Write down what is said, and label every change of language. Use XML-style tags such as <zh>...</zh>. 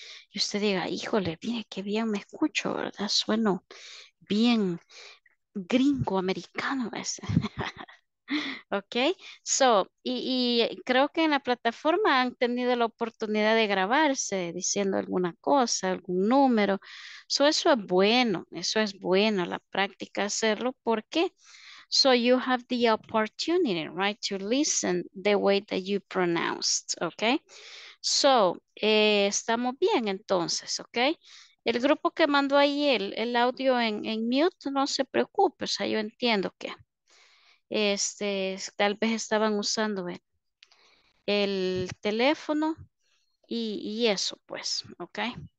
<es>Y usted diga, híjole, mire qué bien me escucho, ¿verdad? Sueno bien gringo americano ese. ¿Ok? So, y creo que en la plataforma han tenido la oportunidad de grabarse diciendo alguna cosa, algún número. So, eso es bueno, la práctica hacerlo. ¿Por qué?</es> <en>So you have the opportunity, right, to listen the way that you pronounced, okay?</en> <es>So, estamos bien entonces, okay? El grupo que mandó ahí el audio en mute, no se preocupe, o sea, yo entiendo que tal vez estaban usando el teléfono y eso, pues, okay?</es>